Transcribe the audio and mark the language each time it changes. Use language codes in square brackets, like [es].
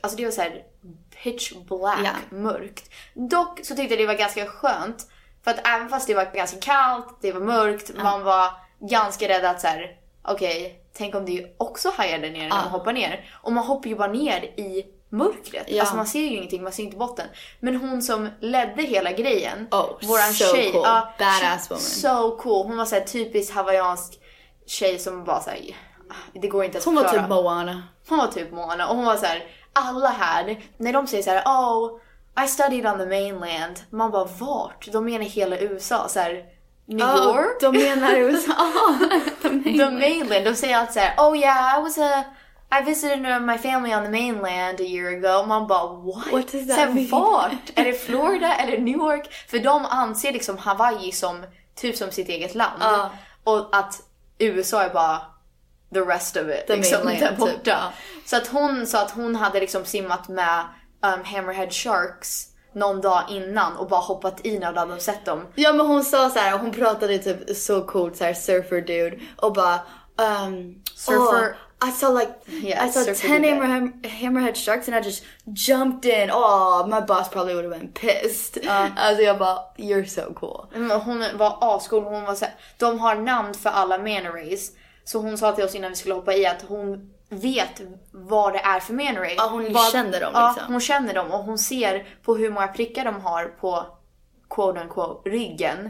[sv] Alltså det var så här [en] pitch black, [sv] mörkt. Dock så tyckte jag det var ganska skönt, för att även fast det var ganska kallt, det var mörkt, man var ganska rädd att så här, okej, tänk om det också hajar där nere när man hoppar ner. Och man hoppar ju bara ner i mörkret. Ja. Alltså man ser ju ingenting, man ser inte botten. Men hon som ledde hela grejen, våran so tjej, [en] cool. Badass woman. So cool. [sv] Hon var så här typisk hawaiiansk tjej som bara såhär, det går inte att förklara. Hon var typ Moana. Hon var typ Moana. Och hon var så här, alla här, när de säger så här, [en] oh, I studied on the mainland. [sv] Man bara, vart? De menar hela USA. Så här, New York? De menar USA. [en] The mainland. [sv] De säger allt så här, [en] oh yeah, I was a I visited my family on the mainland a year ago. [sv] Man bara, [en] what? What does that mean? [sv] Vart? Är det Florida eller New York? För de anser liksom Hawaii som typ som sitt eget land. Och att USA är bara [en] the rest of it. The [sv] liksom, [en] mainland [sv] där borta. Typ. Så att hon sa att hon hade liksom simmat med [en] hammerhead sharks [sv] någon dag innan och bara hoppat i när de hade sett dem. Ja, men hon sa så här, hon pratade typ så coolt, så här [en] surfer dude. [sv] Och bara, [en] surfer... I saw like, yeah, I saw 10 hammerhead sharks and I just jumped in. Oh, my boss probably would have been pissed. [sv] Alltså jag bara, [en] you're so cool. [sv] Hon var ascool, hon var så här, de har namn för alla mana rays. Så hon sa till oss innan vi skulle hoppa i att hon vet vad det är för mana rays. Ja, hon känner dem liksom. Ja, hon känner dem och hon ser på hur många prickar de har på [en] quote unquote [sv] ryggen.